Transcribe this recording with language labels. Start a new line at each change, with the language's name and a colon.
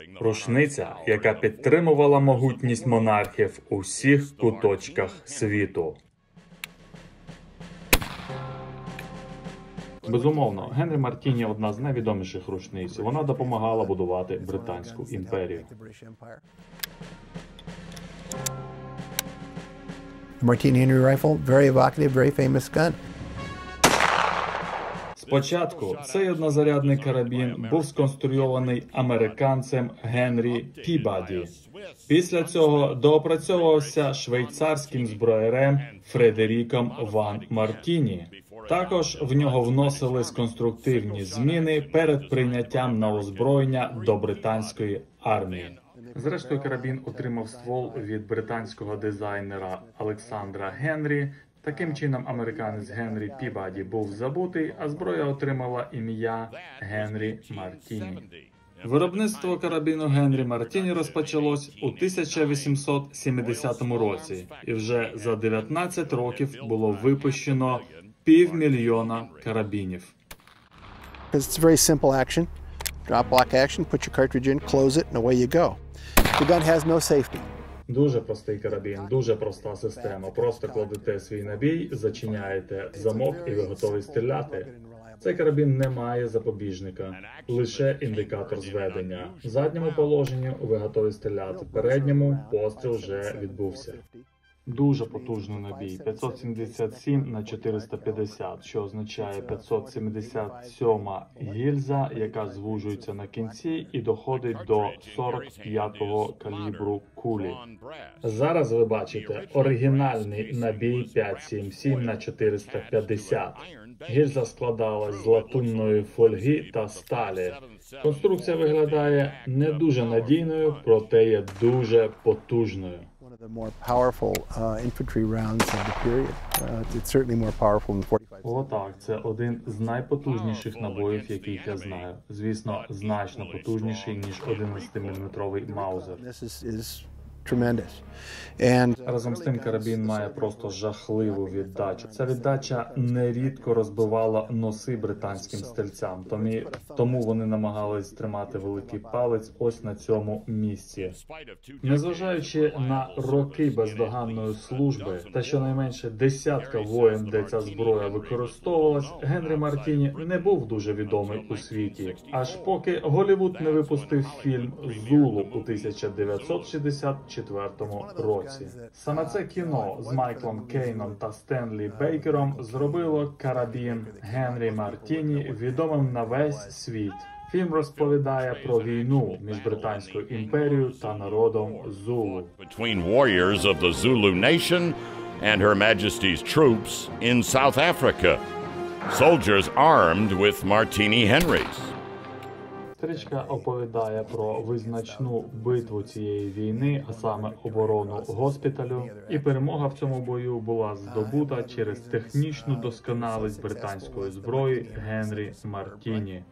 Ukrainian: Рушниця, яка підтримувала могутність монархів у всіх куточках світу. Безумовно, Генрі Мартіні – одна з найвідоміших рушниць. Вона допомагала будувати Британську імперію.
English: Мартіні Генрі Райфл – very evocative, very famous gun.
Ukrainian: Спочатку цей однозарядний карабін був сконструйований американцем Генрі Пібаді. Після цього доопрацьовувався швейцарським зброярем Фредеріком ван Мартіні. Також в нього вносились конструктивні зміни перед прийняттям на озброєння до британської армії. Зрештою, карабін отримав ствол від британського дизайнера Олександра Генрі. Таким чином, американець Генрі Пібаді був забутий, а зброя отримала ім'я Генрі Мартіні. Виробництво карабіну Генрі Мартіні розпочалось у 1870 році, і вже за 19 років було випущено 500 000 карабінів.
English: It's very simple action. Drop lock action, put your cartridge in, close it, and away you go. The gun has no safety.
Ukrainian: Дуже простий карабін, дуже проста система. Просто кладете свій набій, зачиняєте замок і ви готові стріляти. Цей карабін не має запобіжника, лише індикатор зведення. В задньому положенні ви готові стріляти, в передньому постріл вже відбувся. Дуже потужний набій, 577 на 450, що означає 577-ма гільза, яка звужується на кінці і доходить до 45-го калібру кулі. Зараз ви бачите оригінальний набій 577 на 450. Гільза складалась з латунної фольги та сталі. Конструкція виглядає не дуже надійною, проте є дуже потужною.
English: The more powerful infantry rounds of the period. It's certainly more powerful than 45.
Ukrainian: Отак, це один з найпотужніших набоїв, яких я знаю. Звісно, значно потужніший, ніж 11-міліметровий Маузер.
English: Tremendous. And
Ukrainian: разом з тим карабін має просто жахливу віддачу. Ця віддача нерідко розбивала носи британським стрільцям, тому вони намагались тримати великий палець ось на цьому місці. Незважаючи на роки бездоганної служби та щонайменше десятка воєн, де ця зброя використовувалась, Генрі Мартіні не був дуже відомий у світі, аж поки Голлівуд не випустив фільм «Зулу» у 1964 році. Саме це кіно з Майклом Кейном та Стенлі Бейкером зробило карабін Генрі Мартіні відомим на весь світ. Фільм розповідає про війну між Британською імперією та народом Зулу.
English: Between warriors of the Zulu nation and Her Majesty's troops in South Africa. Soldiers armed with Martini Henrys.
Ukrainian: Стрічка оповідає про визначну битву цієї війни, а саме оборону госпіталю. І перемога в цьому бою була здобута через технічну досконалість британської зброї Генрі Мартіні.